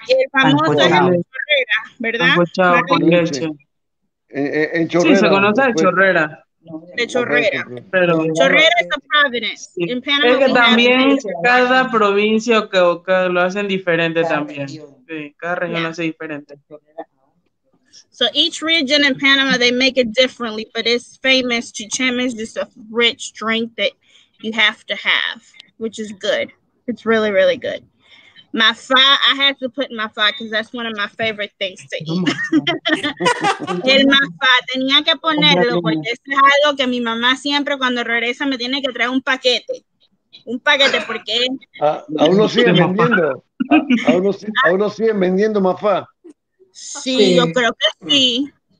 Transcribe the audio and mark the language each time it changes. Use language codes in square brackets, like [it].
[es] Y el famoso es el Chorrera, ¿verdad? Escuchado con leche. En Chorrera. Sí, se conoce el Chorrera. De Chorrera. Pero, Chorrera es a Providence. Sí. En Panamá, es que también cada provincia que lo hacen diferente también. Sí, cada región lo hace diferente. [en] So each region in Panama, they make it differently, but it's famous. Chicheme is just a rich drink that you have to have, which is good. It's really, really good. Mafá, I had to put mafá because that's one of my favorite things to eat. [es] El mafá, tenía que ponerlo porque eso es algo que mi mamá siempre cuando regresa me tiene que traer un paquete. Un paquete porque... Aún lo siguen vendiendo. Aún lo siguen vendiendo mafá. Sí, yo creo que sí.